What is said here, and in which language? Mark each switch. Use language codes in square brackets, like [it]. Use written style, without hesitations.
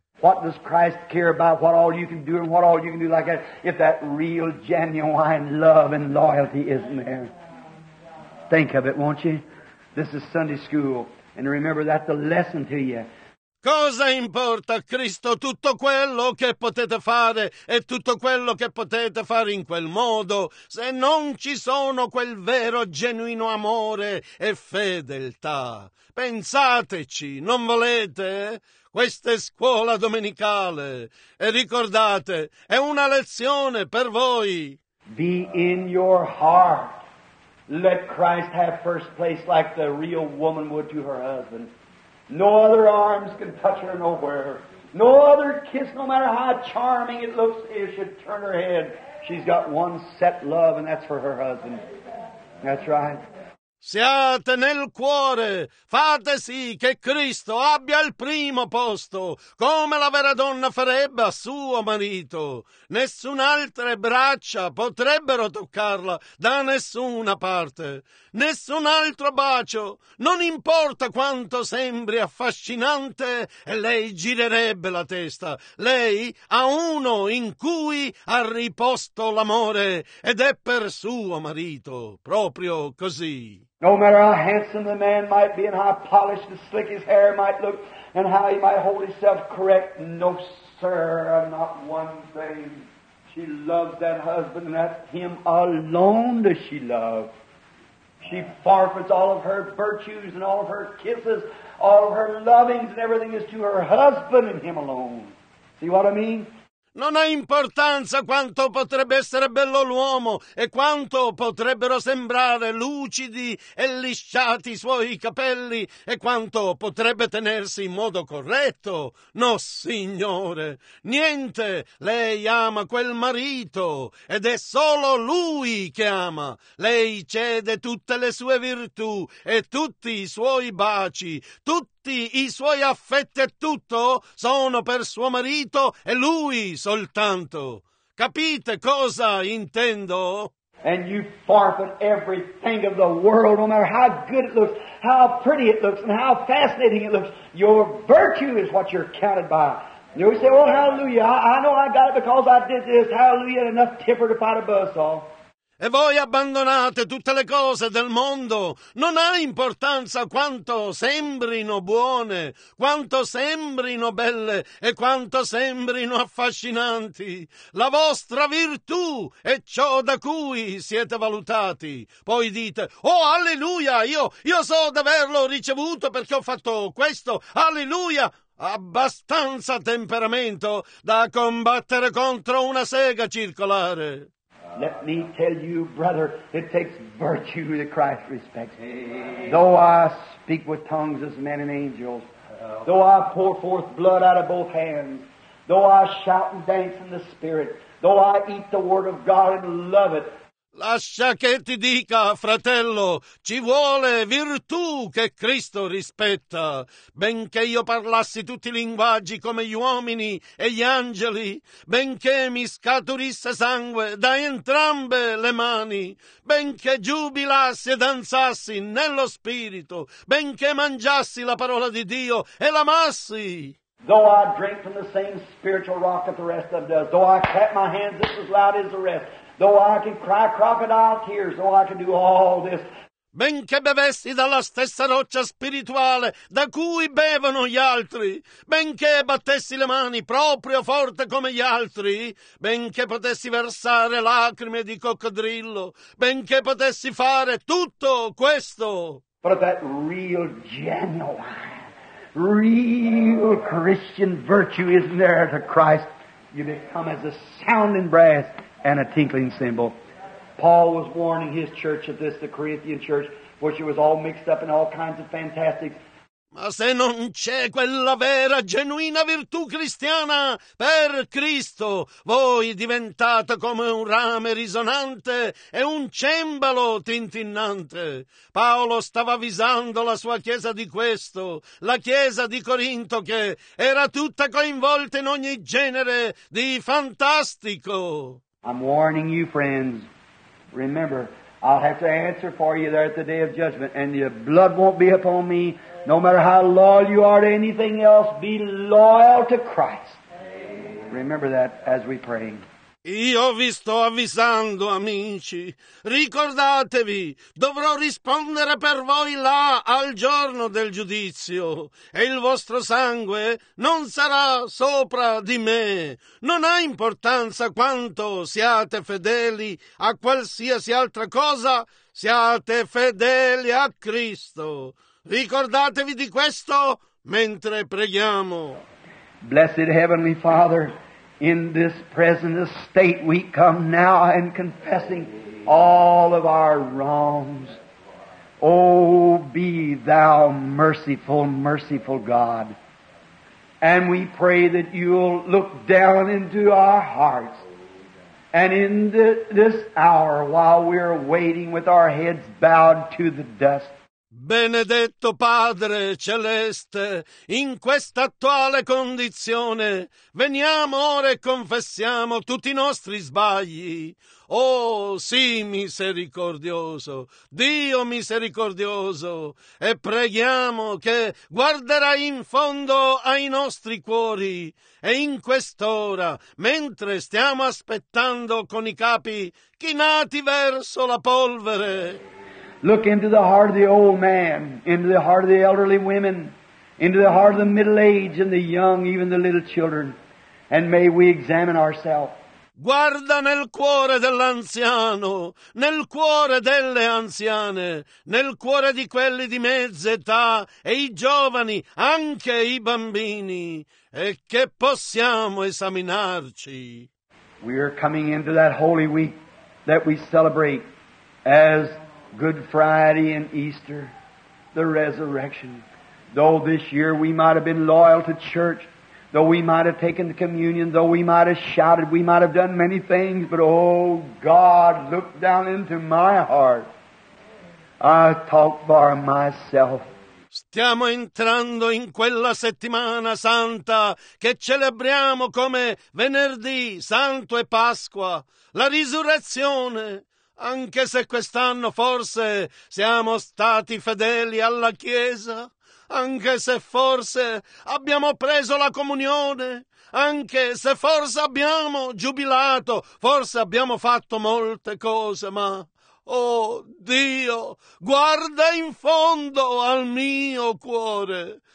[en] What does Christ care about what all you can do and what all you can do like that if that real, genuine love and loyalty isn't there? Think of it, won't you? This is Sunday school. And remember, that's a lesson to you. [it] Cosa importa a Cristo tutto quello che potete fare e tutto quello che potete fare in quel modo se non ci sono quel vero genuino amore e fedeltà? Pensateci, non volete? Questa è scuola domenicale. E ricordate, è una lezione per voi. [en] Be in your heart. Let Christ have first place like the real woman would to her husband. No other arms can touch her nowhere. No other kiss, no matter how charming it looks, if she turn her head. She's got one set love, and that's for her husband. That's right. [it] Siate nel cuore, fate sì che Cristo abbia il primo posto, come la vera donna farebbe a suo marito. Nessun'altra braccia potrebbero toccarla da nessuna parte. Nessun altro bacio, non importa quanto sembri affascinante, e lei girerebbe la testa. Lei ha uno in cui ha riposto l'amore, ed è per suo marito, proprio così. [en] No matter how handsome the man might be and how polished and slick his hair might look and how he might hold himself correct, no, sir, not one thing. She loves that husband, and that's him alone does she love. She forfeits all of her virtues and all of her kisses, all of her lovings and everything is to her husband and him alone. See what I mean? [it] Non ha importanza quanto potrebbe essere bello l'uomo e quanto potrebbero sembrare lucidi e lisciati i suoi capelli e quanto potrebbe tenersi in modo corretto. No, signore, niente, lei ama quel marito ed è solo lui che ama. Lei cede tutte le sue virtù e tutti i suoi baci, tutti i suoi affetti e tutto sono per suo marito e lui soltanto. Capite cosa intendo? [en] And you forfeit everything of the world, no matter how good it looks, how pretty it looks, and how fascinating it looks. Your virtue is what you're counted by. You know, we say, oh, hallelujah, I know I got it because I did this. Hallelujah, enough tipper to fight a buzzsaw. [it] E voi abbandonate tutte le cose del mondo. Non ha importanza quanto sembrino buone, quanto sembrino belle e quanto sembrino affascinanti. La vostra virtù è ciò da cui siete valutati. Poi dite, oh alleluia, io so di averlo ricevuto perché ho fatto questo, alleluia. Abbastanza temperamento da combattere contro una sega circolare. [en] Let me tell you, brother, it takes virtue that Christ respects. Though I speak with tongues as men and angels, though I pour forth blood out of both hands, though I shout and dance in the Spirit, though I eat the Word of God and love it, [it] lascia che ti dica, fratello, ci vuole virtù che Cristo rispetta. Benché io parlassi tutti i linguaggi come gli uomini e gli angeli, benché mi scaturisse sangue da entrambe le mani, benché giubilassi e danzassi nello spirito, benché mangiassi la parola di Dio e l'amassi. [en] Though I drink from the same spiritual rock that the rest of them does, though I clap my hands just as loud as the rest, though I can cry crocodile tears, though I can do all this. [it] Benché bevessi dalla stessa roccia spirituale da cui bevono gli altri, benché battessi le mani proprio forte come gli altri, benché potessi versare lacrime di coccodrillo, benché potessi fare tutto questo. [en] But that real, genuine, real Christian virtue is there to Christ. You become as a sounding brass and a tinkling cymbal. Paul was warning his church of this, the Corinthian church, which was all mixed up in all kinds of fantastic. [it] Ma se non c'è quella vera, genuina virtù cristiana per Cristo, voi diventate come un rame risonante e un cembalo tintinnante. Paolo stava avvisando la sua chiesa di questo, la chiesa di Corinto, che era tutta coinvolta in ogni genere di fantastico. [en] I'm warning you, friends. Remember, I'll have to answer for you there at the day of judgment, and your blood won't be upon me. No matter how loyal you are to anything else, be loyal to Christ. Remember that as we pray. [it] Io vi sto avvisando, amici. Ricordatevi, dovrò rispondere per voi là al giorno del giudizio. E il vostro sangue non sarà sopra di me. Non ha importanza quanto siate fedeli a qualsiasi altra cosa, siate fedeli a Cristo. Ricordatevi di questo mentre preghiamo. [en] Blessed Heavenly Father, in this present estate we come now and confessing all of our wrongs. Oh, be thou merciful, merciful God. And we pray that you'll look down into our hearts. And in this hour, while we're waiting with our heads bowed to the dust, [it] benedetto Padre Celeste, in questa attuale condizione, veniamo ora e confessiamo tutti i nostri sbagli. Oh, sì, misericordioso, Dio misericordioso, e preghiamo che guarderai in fondo ai nostri cuori. E in quest'ora, mentre stiamo aspettando con i capi chinati verso la polvere, [en] look into the heart of the old man, into the heart of the elderly women, into the heart of the middle age and the young, even the little children, and may we examine ourselves. [it] Guarda nel cuore dell'anziano, nel cuore delle anziane, nel cuore di quelli di mezza età e i giovani, anche i bambini, e che possiamo esaminarci. [en] We are coming into that Holy Week that we celebrate as Good Friday and Easter, the resurrection. Though this year we might have been loyal to church, though we might have taken the communion, though we might have shouted, we might have done many things, but oh God, look down into my heart. I talk for myself. [it] Stiamo entrando in quella settimana santa che celebriamo come venerdì, santo e Pasqua, la risurrezione. Anche se quest'anno forse siamo stati fedeli alla Chiesa, anche se forse abbiamo preso la comunione, anche se forse abbiamo giubilato, forse abbiamo fatto molte cose, ma oh Dio, guarda in fondo al mio cuore.